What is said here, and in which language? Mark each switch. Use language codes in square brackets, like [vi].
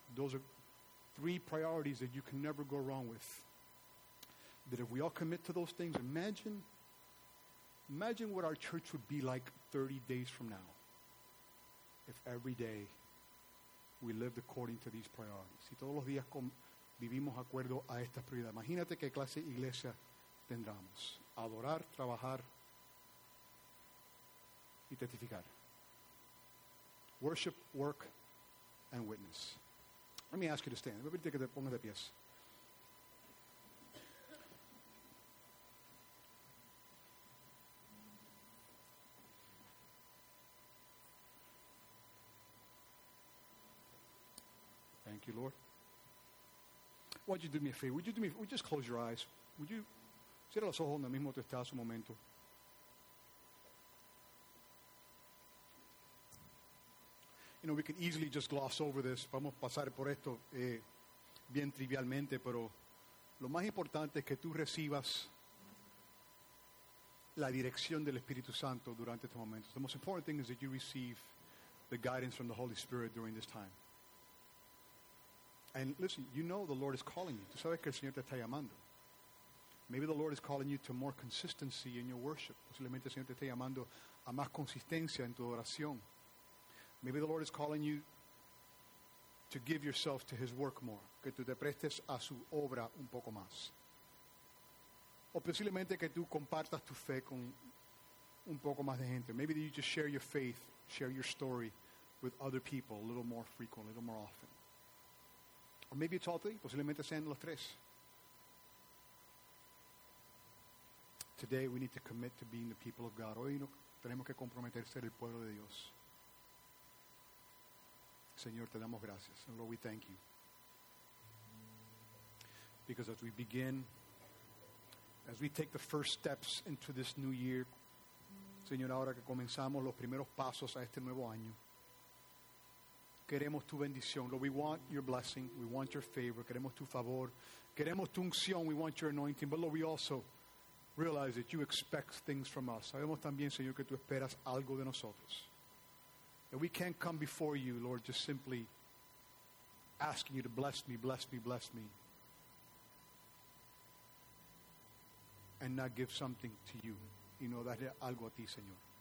[en] Those are three priorities that you can never go wrong with. That if we all commit to those things, imagine what our church would be like 30 days from now if every day we lived according to these priorities. [es] Si todos los días vivimos acuerdo a esta prioridad. Imagínate qué clase de iglesia tendríamos. Adorar, trabajar, y testificar. [en] Worship, work, and witness. Let me ask you to stand. Everybody take a [es] ponga de pies. [en] Thank you, Lord. Why don't you do me a favor? Would you just close your eyes? Would you [es] cierra los ojos en el mismo donde estás un momento? [en] You know, we could easily just gloss over this. [es] Vamos a pasar por esto bien trivialmente, pero lo más importante es que tú recibas la dirección del Espíritu Santo durante este momento. [en] The most important thing is that you receive the guidance from the Holy Spirit during this time. And listen, you know the Lord is calling you. [es] Tú sabes que el Señor te está llamando. [en] Maybe the Lord is calling you to more consistency in your worship. [es] Posiblemente el Señor te está llamando a más consistencia en tu oración. [en] Maybe the Lord is calling you to give yourself to His work more. [es] Que tú te prestes a su obra un poco más. O posiblemente que tú compartas tu fe con un poco más de gente. [en] Maybe that you just share your faith, share your story with other people a little more frequently, a little more often. Or maybe it's all three. [es] Posiblemente sean los tres. [en] Today we need to commit to being the people of God. [es] Hoy tenemos que comprometer ser el pueblo de Dios. Señor, te damos gracias. [en] And Lord, we thank you. Because as we begin, as we take the first steps into this new year, [es] Señor, ahora que comenzamos los primeros pasos a este nuevo año, queremos tu bendición. [en] Lord, we want your blessing. We want your favor. [es] Queremos tu favor. Queremos tu unción. [en] We want your anointing. But Lord, we also realize that you expect things from us. [es] Sabemos también, Señor, que tú esperas algo de nosotros. [en] And we can't come before you, Lord, just simply asking you to bless me, bless me, bless me, and not give something to you. [es] Y no darle algo a ti, Señor.